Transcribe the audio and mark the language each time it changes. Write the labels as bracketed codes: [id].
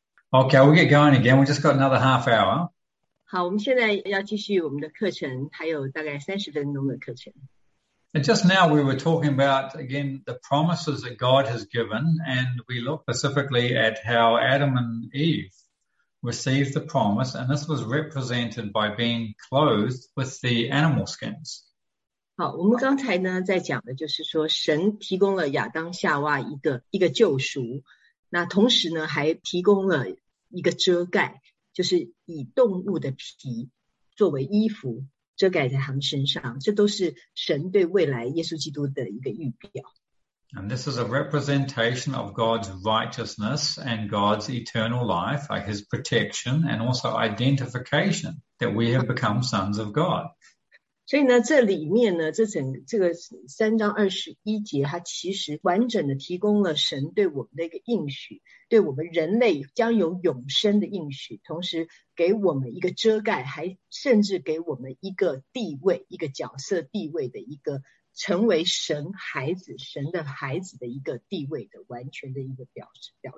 [en] OK，我 get going again. We just got another half hour. [zh] 好，我们现在要继续我们的课程，还有大概30分钟的课程。 [en] And just now we were talking about again the promises that God has given, and we looked specifically at how Adam and Eve received the promise, and this was represented by being clothed with the animal skins. [zh] 好，我们刚才呢在讲的就是说，神提供了亚当夏娃一个救赎，那同时呢还提供了一个遮盖，就是以动物的皮作为衣服遮盖在他们身上，这都是神对未来耶稣基督的一个预表。 [en] And this is a representation of God's righteousness and God's eternal life, like his protection and also identification that we have become sons of God. [zh] 所以呢，这里面呢，这个3章21节，它其实完整的提供了神对我们的一个应许，对我们人类将有永生的应许，同时给我们一个遮盖，还甚至给我们一个地位，一个角色地位的一个成为神孩子、神的孩子的一个地位的完全的一个表示。